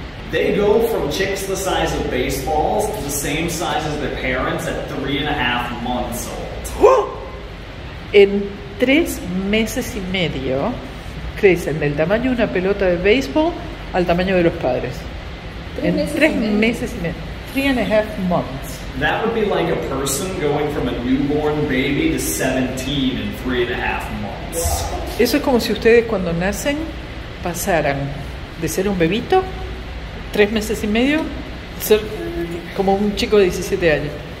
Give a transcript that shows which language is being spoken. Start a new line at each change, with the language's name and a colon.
English: They go from chicks the size of baseballs to the same size as their parents at 3.5 months old.
Spanish: En 3 meses y medio, crecen del tamaño de una pelota de béisbol al tamaño de los padres. En 3 meses y medio. 3.5 months.
English: That would be like a person going from a newborn baby to 17 in 3.5 months.
Spanish: Eso es como si ustedes cuando nacen pasaran de ser un bebito, 3 meses y medio, ser como un chico de 17 años.